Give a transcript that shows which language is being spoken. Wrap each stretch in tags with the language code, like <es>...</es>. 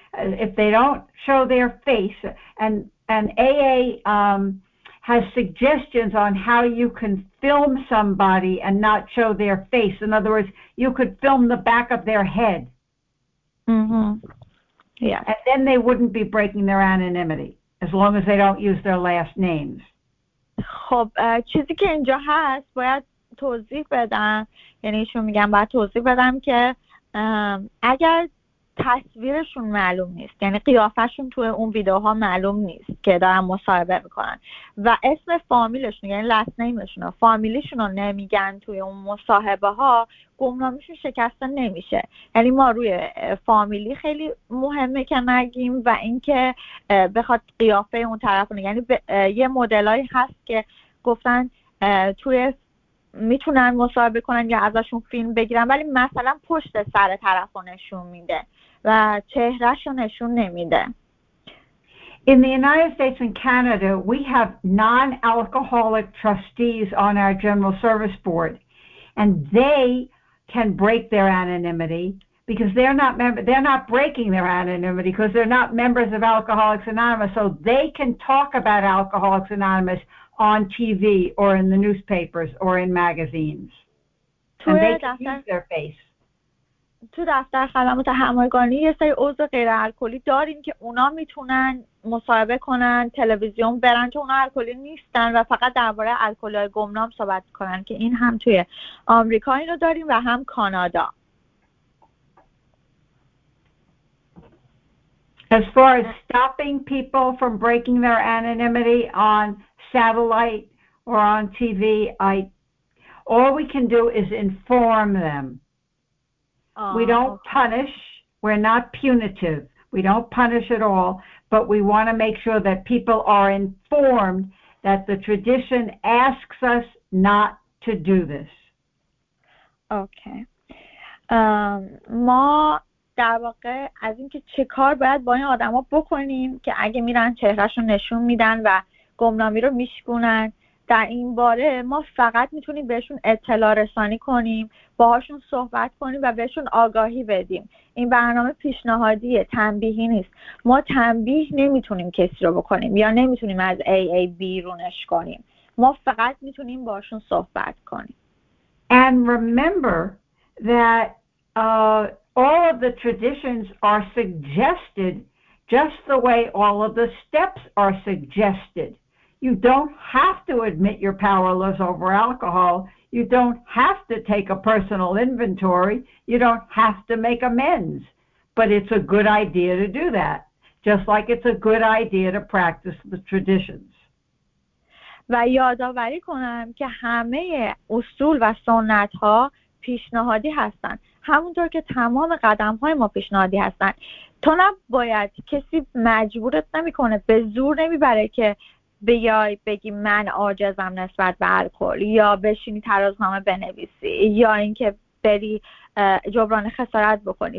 <en>If they don't show their face, and AA has suggestions on how you can film somebody and not show their face. In other words, you could film the back of their head. Mm-hmm. Yeah. And then they wouldn't be breaking their anonymity as long as they don't use their last names.</en> <fa>خب چیزی که اینجا هست باید توضیح بدم، یعنی شما میگم باید توضیح بدم که اگر تصویرشون معلوم نیست، یعنی قیافشون توی اون ویدیوها معلوم نیست که دارن مصاحبه میکنن، و اسم فامیلشون، یعنی last nameشون و فامیلیشون رو نمیگن توی اون مصاحبه ها، گمنامیشون شکسته نمیشه. یعنی ما روی فامیلی خیلی مهمه که نگیم، و اینکه بخواد قیافه اون طرف رو، یعنی یه مدلایی هست که گفتن توی میتونن مصاحبه کنن یا ازشون فیلم بگیرن، ولی مثلا پشت سر طرف رو نشون میده و چهرهش رو نشون نمیده.</fa> <en>In the United States and Canada, we have non-alcoholic trustees on our general service board, and they can break their anonymity because they're not breaking their anonymity because they're not members of Alcoholics Anonymous, so they can talk about Alcoholics Anonymous on TV or in the newspapers or in magazines. And they can use their face.</en> <fa>تو دفتر خدمات همگانی یه سری عضو غیر الکلی داریم که اونا میتونن مصاحبه کنن، تلویزیون برن، چون اونا الکلی نیستن و فقط درباره الکلی‌های گمنام صحبت کنن، که این هم توی آمریکا اینو داریم و هم کانادا.</fa> <en>As far as stopping people from breaking their anonymity on satellite or on TV, all we can do is inform them. We don't punish. We're not punitive. We don't punish at all. but we want to make sure that people are informed that the tradition asks us not to do this. Okay.</en> <fa>ما در واقع از اینکه چه کار باید با این آدما بکنیم که اگه میرن چهرهشون نشون میدن و گمنامی رو میشکنن، در این باره ما فقط میتونیم بهشون اطلاع رسانی کنیم، باهاشون صحبت کنیم و بهشون آگاهی بدیم. این برنامه پیشنهادیه، تنبیهی نیست. ما تنبیه نمیتونیم کسی رو بکنیم یا نمیتونیم از AA بیرونش کنیم. ما فقط میتونیم باهاشون صحبت کنیم.</fa> <en>And remember that all of the traditions are suggested just the way all of the steps are suggested. You don't have to admit you're powerless over alcohol. You don't have to take a personal inventory. You don't have to make amends. But it's a good idea to do that, just like it's a good idea to practice the traditions.</en> <fa>و یادآوری کنم که همه اصول و سنت ها پیشنهادی هستن، همونطور که تمام قدم های ما پیشنهادی هستن. تو نباید کسی مجبورت نمی کنه، به زور نمی بره که بیای بگی من عاجزم نسبت به الکل، یا بشینی ترازنامه بنویسی، یا اینکه بری جبران خسارت بکنی.</fa>